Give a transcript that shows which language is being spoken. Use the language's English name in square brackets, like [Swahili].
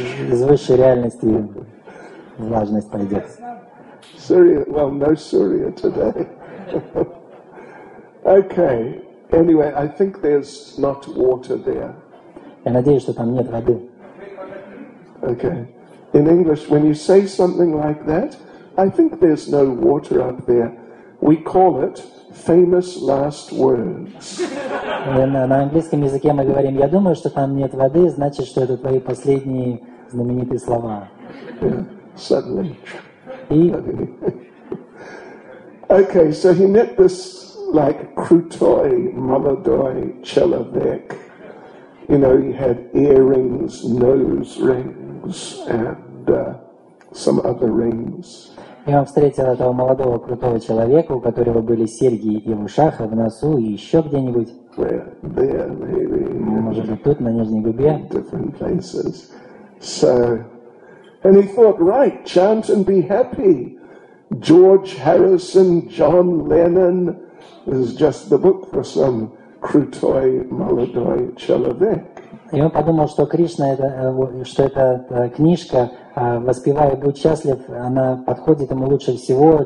[Russian] Из высшей реальности влажность пойдет. [English] Surya, well, no Surya today. Okay. Anyway, I think there's not water there. [Russian] Я надеюсь, что там нет воды. [English] Okay. In English, when you say something like that, I think there's no water up there, we call it famous last words. [Russian] На английском языке мы говорим, я думаю, что там нет воды, значит, что это твои последние знаменитые слова. [English] Yeah, suddenly. [Russian] И... [English] Okay, so he met this, like, [Russian] крутой, молодой человек. [English] You know, he had earrings, nose rings, and some other rings. [Russian] И он встретил этого молодого, крутого человека, у которого были серьги и в ушах, и в носу, и еще где-нибудь. [English] There, maybe. [Russian] Может быть, тут, на нижней губе. [English] Different places. So, And he thought, right, chant and be happy. George Harrison, John Lennon is just the book for some [Russian] крутой молодой человек. И он подумал, что Кришна это, что эта книжка «Воспевай и будь счастлив», она подходит ему лучше всего.